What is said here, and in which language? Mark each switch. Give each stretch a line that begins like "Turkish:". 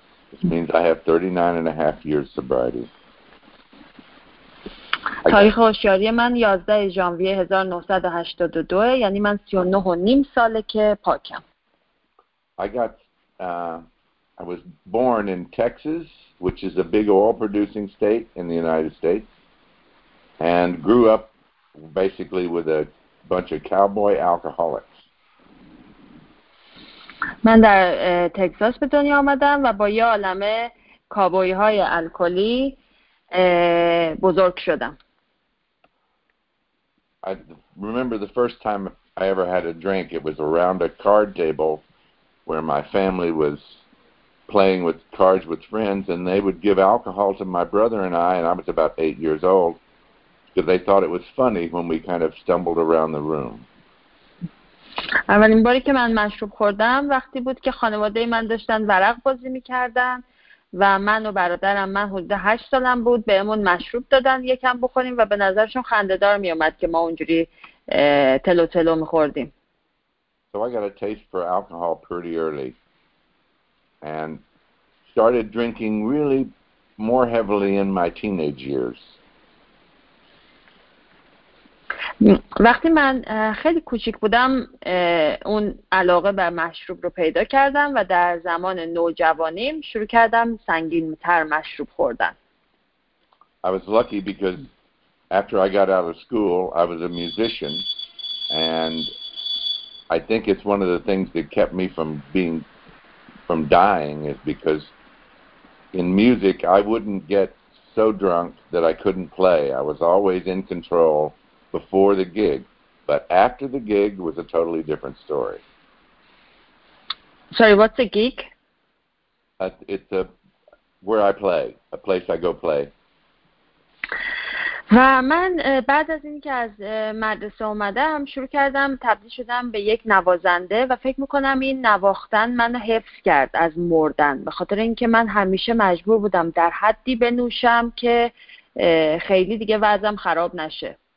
English: This means I have 39 and a half years sobriety.
Persian: تاریخ هوشیاری من 11 ژانویه 1982 یعنی من 39 و نیم ساله که پاکم.
English: I was born in Texas, which is a big oil producing state in the United States, and grew up basically with a bunch of cowboy alcoholics.
Persian: من در تگزاس به دنیا آمدم و با یه عالمه کابوی های الکلی بزرگ شدم.
English: I remember the first time I ever had a drink. It was around a card table where my family was playing with cards with friends, and they would give alcohol to my brother and I was about 8 years old, because they thought it was funny when we kind of stumbled around the room.
Persian: اولین باری که من مشروب خوردم وقتی بود که خانواده من داشتن ورق بازی می‌کردن و من و برادرم، من حدود 8 سالم بود، بهمون مشروب دادن یکم بخوریم و به نظرشون خنده‌دار میومد که ما اونجوری تلو تلو می‌خوردیم.
English: So I got a taste for alcohol pretty early and started drinking really more heavily in my teenage years.
Persian: وقتی من خیلی کوچیک بودم اون علاقه به مشروب رو پیدا کردم و در زمان نوجوانیم شروع کردم سنگین تر مشروب خوردن.
English: I was lucky because after I got out of school I was a musician, and I think it's one of the things that kept me from dying is because in music I wouldn't get so drunk that I couldn't play. I was always in control before the gig, but after the gig was a totally different story. Sorry, what's a gig? It's a where I play, a place I go play.
Persian: و من بعد از اینکه از مدرسه اومدم شروع کردم، تبدیل شدم به یک نوازنده و فکر میکنم این نواختن منو حفظ کرد از مردن، به خاطر اینکه من همیشه مجبور بودم در حدی بنوشم که خیلی دیگه وضعم خراب نشه.